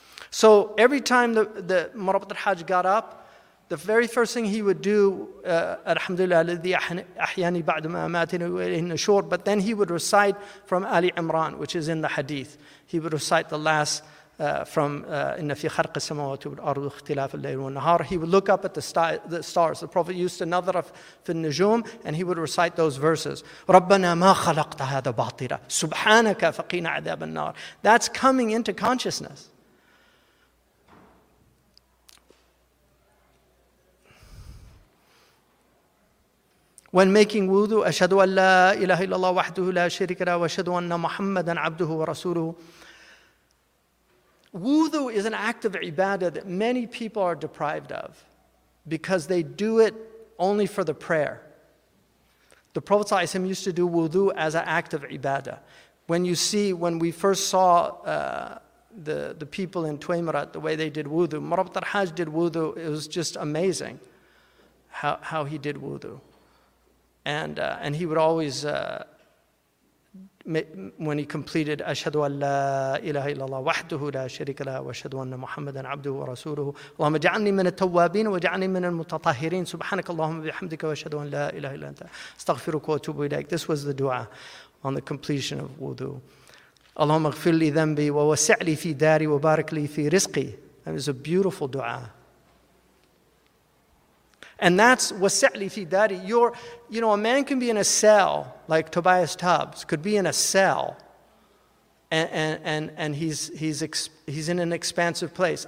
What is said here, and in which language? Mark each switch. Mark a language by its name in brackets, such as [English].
[English] So every time the Murabt al-Hajj got up, the very first thing he would do, Alhamdulillah, [Arabic] الذي أحياني بعد ما أماتني إلى النشور, [English] but then he would recite from Ali Imran, which is in the hadith. He would recite the last from [Arabic] إِنَّ فِي خَرْقِ السَّمَوَاتِ وَالْأَرْضِ اخْتِلَافِ اللَّيْلِ وَالنَّهَارِ. [English] He would look up at the stars. The Prophet used to [Arabic] نظر في النجوم, [English] and he would recite those verses. [Arabic] رَبَّنَا مَا خَلَقْتَ هَذَا بَاطِرًا سُبْحَانَكَ فَقِينَ عَذَابَ النَّارِ. [English] That's coming into consciousness. When making wudu, [Arabic] أَشْهَدُ أَنْ لَا إِلَهَ إِلَّا اللَّهُ وَحْدُهُ لَا شَرِكَ لَهُ وَأَشْهَدُ أَنَّ مُحَمَّدًا عَبْدُهُ وَرَسُولُهُ. [English] Wudu is an act of ibadah that many people are deprived of because they do it only for the prayer. The Prophet ﷺ used to do wudu as an act of ibadah. When we first saw the people in Tuaimarat, the way they did wudu, Murabt al-Hajj did wudu. It was just amazing how he did wudu. And he would always, when he completed, [Arabic] أَشْهَدُ أَنْ لَا إِلَهَ إِلَّا اللَّهُ وَحْدُهُ لَا شَرِكَ لَهُ وَأَشْهَدُ أَنَّ مُحَمَّدًا عَبْدُهُ وَرَسُولُهُ اللَّهُمَّ اجْعَلْنِي مِنَ التَّوَّابِينَ وَاجْعَلْنِي مِنَ الْمُتَطَهِّرِينَ سُبْحَانَكَ اللَّهُمَّ بِحَمْدِكَ وَأَشْهَدُ أَنْ لَا إِلَهَ إِلَّا أَنْتَ أَسْتَغْفِرُكَ وَأَتُوبُ إِلَيْكَ. [English] This was the dua on the completion of wudu. [Arabic] اللَّهُمَّ اغْفِرْ لِي ذَنْبِي وَوَسِعْ لِي فِي دَارِي وَبَارِكْ لِي فِي رِزْقِي. [English] That was a beautiful dua. And that's wasi'li fi dari. A man can be in a cell, like Tobias Tubbs could be in a cell, and he's in an expansive place.